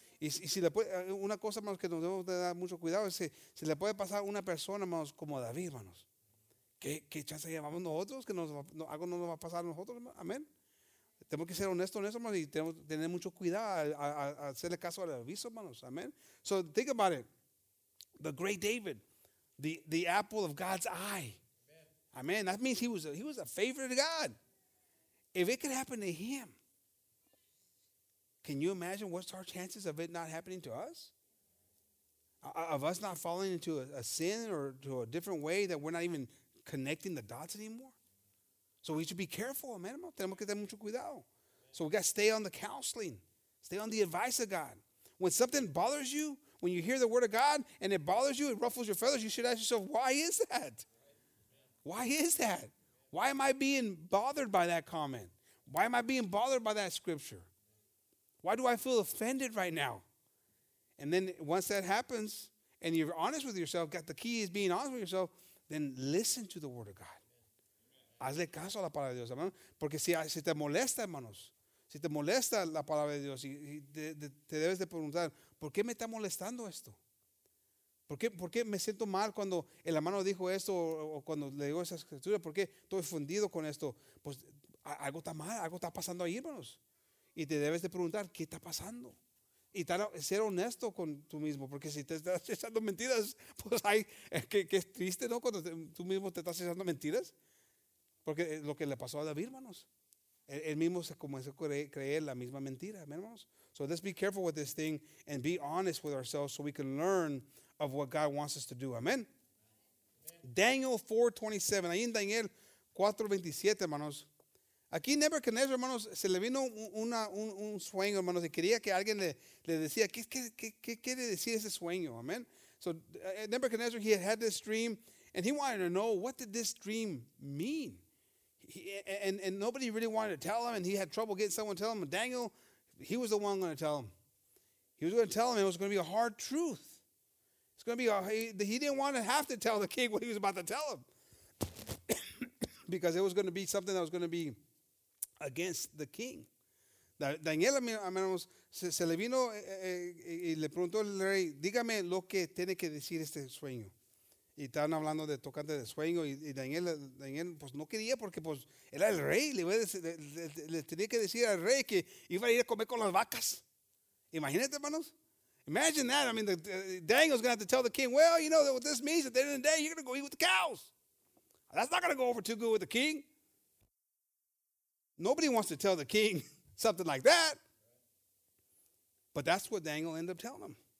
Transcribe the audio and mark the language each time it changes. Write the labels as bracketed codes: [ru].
[es] Y si le puede, una cosa, hermanos, que nos debemos de dar mucho cuidado es si le puede pasar a una persona, hermanos, como David, hermanos. ¿Qué chance llevamos nosotros? ¿Algo no nos va a pasar a nosotros, hermanos? Amén. Tenemos que ser honestos en eso, hermanos, y tenemos que tener mucho cuidado a hacerle caso al aviso, hermanos. [en] Amén. So, think about it. The great David, the apple of God's eye. Amén. That means he was a favorite of God. If it could happen to him, can you imagine what's our chances of it not happening to us? Of us not falling into a sin or to a different way that we're not even connecting the dots anymore? So we should be careful, amen. [es] Tenemos que tener mucho cuidado. [en] So we got to stay on the counseling. Stay on the advice of God. When something bothers you, when you hear the word of God and it bothers you, it ruffles your feathers, you should ask yourself, why is that? Why is that? Why am I being bothered by that comment? Why am I being bothered by that scripture? Why do I feel offended right now? And then once that happens and you're honest with yourself, got the key is being honest with yourself, then listen to the word of God. [es] Hazle caso a la palabra de Dios, hermano. Porque si te molesta, hermanos, si te molesta la palabra de Dios, te debes de preguntar, ¿por qué me está molestando esto? ¿Por qué me siento mal cuando el hermano dijo esto o cuando le digo esa escritura? ¿Por qué estoy fundido con esto? Pues algo está mal, algo está pasando ahí, hermanos. Y te debes de preguntar, ¿qué está pasando? Y ser honesto con tú mismo, porque si te estás echando mentiras, pues hay, que es triste, ¿no? Cuando tú mismo te estás echando mentiras. Porque lo que le pasó a David, hermanos, él mismo se comenzó a creer la misma mentira, hermanos. [en] So let's be careful with this thing and be honest with ourselves so we can learn of what God wants us to do. [es] Amen. Daniel 4:27. Ahí en Daniel 4:27, hermanos. Aquí Nebuchadnezzar, hermanos, se le vino un sueño, hermanos, y quería que alguien le decía, ¿qué quiere decir ese sueño? [en] Amen. So Nebuchadnezzar, he had this dream, and he wanted to know, what did this dream mean? And nobody really wanted to tell him, and he had trouble getting someone to tell him. Daniel, he was the one going to tell him. He was going to tell him it was going to be a hard truth. It's going to be he didn't want to have to tell the king what he was about to tell him. Because it was going to be something that was going to be against the king. [es] Daniel, hermanos, se le vino y le preguntó al rey, dígame lo que tiene que decir este sueño. Y estaban hablando de tocante de sueño y Daniel pues no quería porque pues era el rey, le tenía que decir al rey que iba a ir a comer con las vacas. Imagínate, hermanos. [en] Imagine that. I mean, Daniel's going to have to tell the king, well, you know what this means, at the end of the day, you're going to go eat with the cows. That's not going to go over too good with the king. Nobody wants to tell the king something like that. But that's what Daniel ended up telling him.